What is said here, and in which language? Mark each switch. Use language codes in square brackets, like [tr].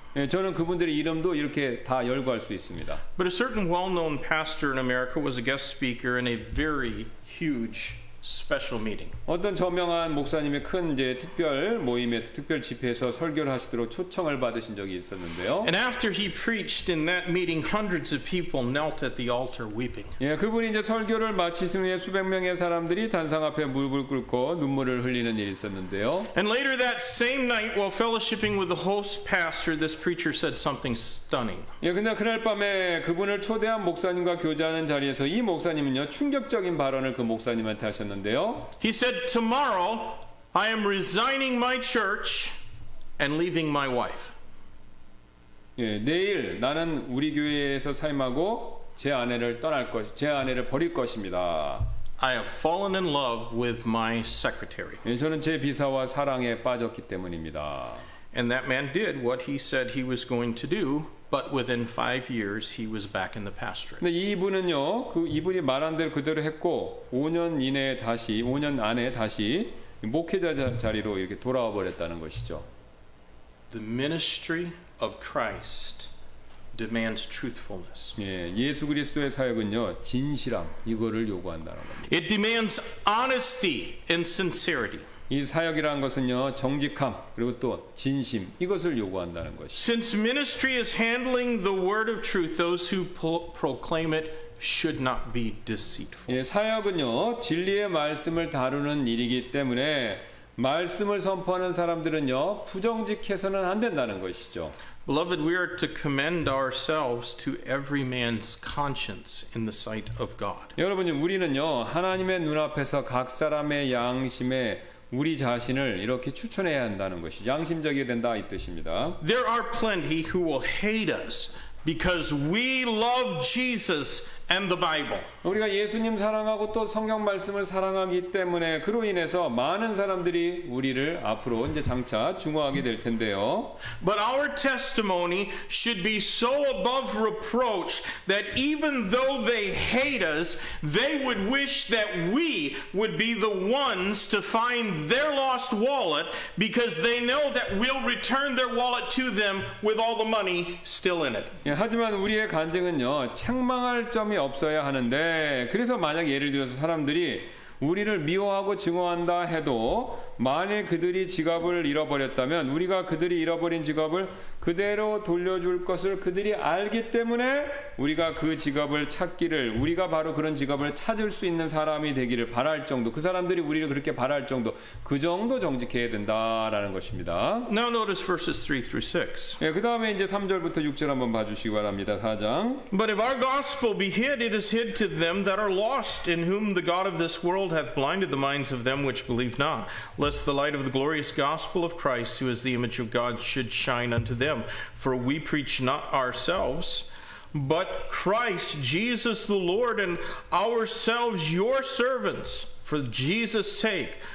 [ko] 예, 저는 그분들의 이름도 이렇게 다 열거할 수 있습니다. [en] But a certain well-known pastor in America was a guest speaker in a very huge special meeting. [ko] 어떤 저명한 목사님의 큰 이제 특별 모임에서 특별 집회에서 설교를 하시도록 초청을 받으신 적이 있었는데요. [en] And after he preached in that meeting, hundreds of people knelt at the altar weeping. [ko] 예, 그분이 이제 설교를 마치신 후에 수백 명의 사람들이 단상 앞에 무릎을 꿇고 눈물을 흘리는 일이 있었는데요. [en] And later that same night, while fellowshipping with the host pastor, this preacher said something stunning. [ko] 예, 근데 그날 밤에 그분을 초대한 목사님과 교제하는 자리에서 이 목사님은요 충격적인 발언을 그 목사님한테 하셨는데요. [en] He said, "Tomorrow, I am resigning my church and leaving my wife." [ko] 예, 내일 나는 우리 교회에서 사임하고 제 아내를 떠날 것, 제 아내를 버릴 것입니다. [en] I have fallen in love with my secretary. [ko] 예, 저는 제 비서와 사랑에 빠졌기 때문입니다. [en] And that man did what he said he was going to do. But within 5 years, he was back in the pastorate. [ko] 근데 이분은요, 그 이분이 말한 대로 그대로 했고, 5년 이내에 다시, 5년 안에 다시 목회자 자리로 이렇게 돌아와 버렸다는 것이죠. [en] The ministry of Christ demands truthfulness. [ko] 예, 예수 그리스도의 사역은요, 진실함 이거를 요구한다는 겁니다. [en] It demands honesty and sincerity. [ko] 이 사역이라는 것은요 정직함 그리고 또 진심 이것을 요구한다는 것이. [en] Since ministry is handling the word of truth, those who proclaim it should not be deceitful. [ko] 예, 사역은요 진리의 말씀을 다루는 일이기 때문에 말씀을 선포하는 사람들은요 부정직해서는 안 된다는 것이죠. [en] Beloved, we are to commend ourselves to every man's conscience in the sight of God. [ko] 여러분 우리는요 하나님의 눈앞에서 각 사람의 양심에 우리 자신을 이렇게 추천해야 한다는 것이 양심적이 된다 이 뜻입니다. [en] There are plenty who will hate us because we love Jesus and the Bible. [ko] 우리가 예수님 사랑하고 또 성경 말씀을 사랑하기 때문에 그로 인해서 많은 사람들이 우리를 앞으로 이제 장차 증오하게 될 텐데요. [en] But our testimony should be so above reproach that even though they hate us, they would wish that we would be the ones to find their lost wallet because they know that we'll return their wallet to them with all the money still in it. [ko] 예, 하지만 우리의 간증은요, 책망할 점이 없어야 하는데 그래서 만약 예를 들어서 사람들이 우리를 미워하고 증오한다 해도 만일 그들이 지갑을 잃어버렸다면 우리가 그들이 잃어버린 지갑을 그대로 돌려줄 것을 그들이 알기 때문에 우리가 그 지갑을 찾기를 우리가 바로 그런 지갑을 찾을 수 있는 사람이 되기를 바랄 정도 그 사람들이 우리를 그렇게 바랄 정도 그 정도 정직해야 된다라는 것입니다. [en] Now notice verses 3 through 6. [ko] 예, 그 다음에 이제 3절부터 6절 한번 봐주시기 바랍니다. 4장. [en] But if our gospel be hid, it is hid to them that are lost, in whom the God of this world hath blinded the minds of them which believe not. Lest the light of the glorious gospel of Christ, who is the image of God, should shine unto them. For we preach not ourselves, but Christ Jesus the Lord, and ourselves your servants, for Jesus' sake.